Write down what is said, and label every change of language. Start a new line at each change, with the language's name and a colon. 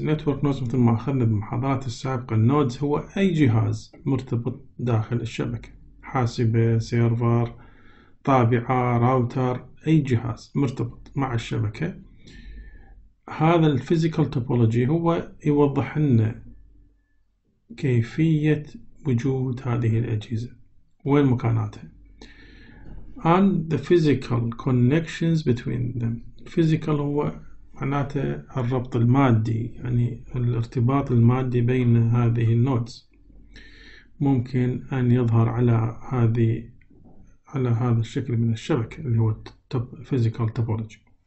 Arabic: Network Nodes مثل ما أخذنا بمحاضرات السابقة، Nodes هو أي جهاز مرتبط داخل الشبكة، حاسبة، سيرفر، طابعة، راوتر، أي جهاز مرتبط مع الشبكة. هذا الفيزيكال توبولوجي هو يوضح لنا كيفية وجود هذه الأجهزة وين مكاناتها.
English: And the physical connections between them.
Arabic: Physical هو معناته الربط المادي، يعني الارتباط المادي بين هذه النودز. ممكن أن يظهر على هذه، على هذا الشكل من الشبكة اللي هو physical topology.